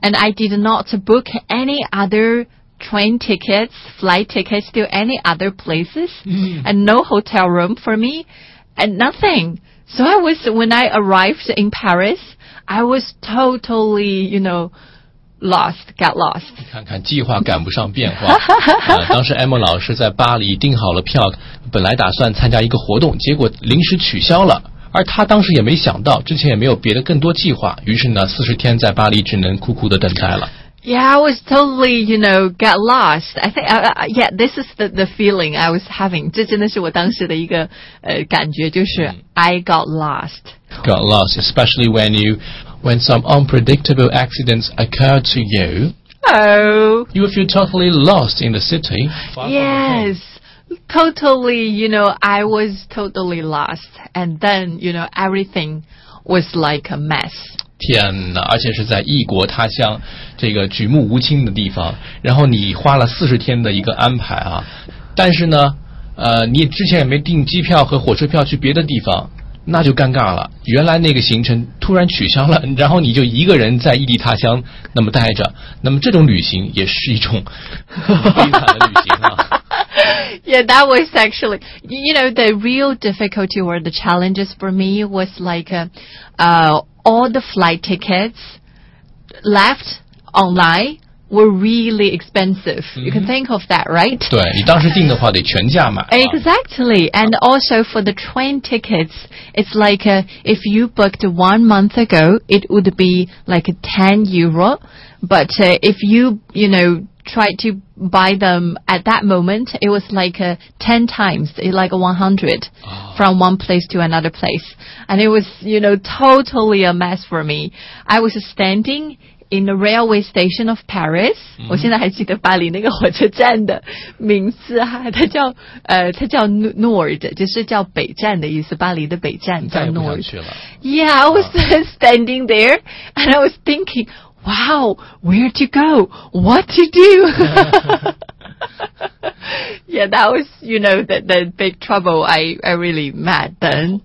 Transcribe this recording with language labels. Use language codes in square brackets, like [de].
[en] And I did not book any other train tickets, flight tickets to any other places. Mm-hmm. And no hotel room for me and nothing. So I was, when I arrived in Paris, I was totally, you know, lost, got lost. [zh] 你看看计划赶不上变化。当时 Emma 老师在巴黎订好了票，本来打算参加一个活动，结果临时取消了。而他当时也没想到，之前也没有别的更多计划，于是呢，40天在巴黎只能苦苦的等待了。 [en] Yeah, I was totally, you know, got lost. I think, yeah, this is the feeling I was having. [zh] 这真的是我当时的一个感觉，就是 [en] I got lost. Got lost, especially when you... When some unpredictable accidents occur to you, you will feel totally lost in the city. Yes, totally, you know, I was totally lost. And then, you know, everything was like a mess. [zh] 天哪，而且是在异国他乡，这个举目无亲的地方。然后你花了40天的一个安排啊，但是呢，你之前也没订机票和火车票去别的地方。那就尴尬了，原来那个行程突然取消了，然后你就一个人在异地他乡那么待着，那么这种旅行也是一种悲惨的旅行啊。 [en] Yeah, that was actually, you know, the real difficulty or the challenges for me was like all the flight tickets left online were really expensive. You can think of that, right? [zh] 对，你当时订的话得全价买。 [en] Exactly. And also for the train tickets, it's like if you booked 1 month ago, it would be like 10 euro. But if you, you know, tried to buy them at that moment, it was like 10 times, like 100 from one place to another place. And it was, you know, totally a mess for me. I was standing... in the railway station of Paris,、 mm-hmm. [zh] 我现在还记得巴黎那个火车站的名字啊，它叫 Nord, 就是叫北站的意思，巴黎的北站叫 Nord。再也不想去了。 [en] Yeah, I was standing there, and I was thinking, wow, where to go? What to do? Yeah, that was, you know, the big trouble I really met then.